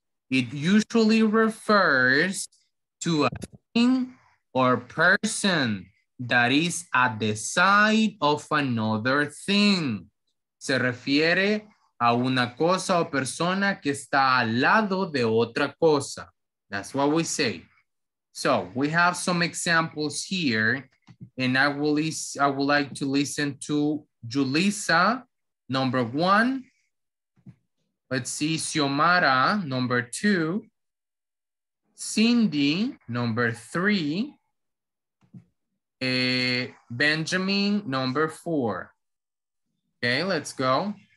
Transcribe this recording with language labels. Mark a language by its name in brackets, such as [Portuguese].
[English] It usually refers to a thing or person that is at the side of another thing. [Spanish] Se refiere a una cosa o persona que está al lado de otra cosa. [English] That's what we say. So we have some examples here, and I would like to listen to Julissa. Number one, let's see, Xiomara, number two, Cindy, number three, Benjamin, number four. Okay, let's go.